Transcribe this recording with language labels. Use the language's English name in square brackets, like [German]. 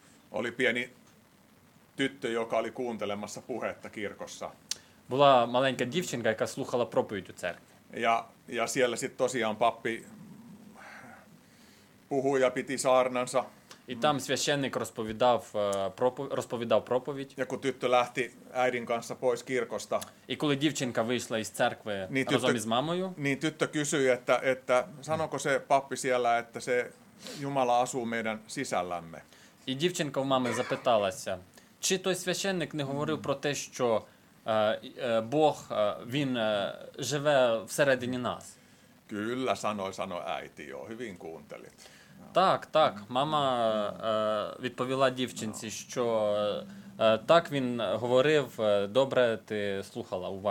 [Finnish] Oli pieni tyttö, joka oli kuuntelemassa puhetta kirkossa. [Ukrainian] Була маленька дівчинка, яка слухала проповідь у церкві. [Finnish] Ja siellä sitten tosiaan pappi puhui ja piti saarnansa. [Ukrainian] І там священник розповідав проповідь. [Finnish] Ja kun tyttö lähti äidin kanssa pois kirkosta. [Ukrainian] І коли дівчинка вийшла із церкви разом із мамою. [Finnish] Niin tyttö kysyi, että sanoko se pappi siellä, että se Jumala asuu meidän sisällämme. [Ukrainian] І дівчинка у мами запиталася, чи той священник не говорив про те, що Бог, він живе всередині нас. [Finnish] Kyllä, sanoi äiti, joo, hyvin kuuntelit. [Ukrainian] Так, мама відповіла дівчинці, що так він говорив, добре ти слухала уважно.